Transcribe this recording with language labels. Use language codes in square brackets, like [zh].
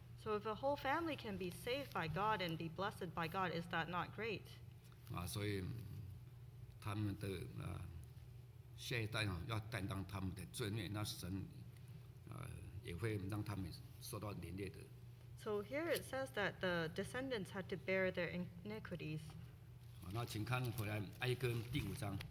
[en] So if a whole family can be saved by God and be blessed by God, is that not great? [zh] 所以他们的下一代要担当他们的罪孽，那神也会让他们受到连累的。 [en] So here it says that the descendants had to bear their iniquities. [zh] 那请看回来，埃歌第五章。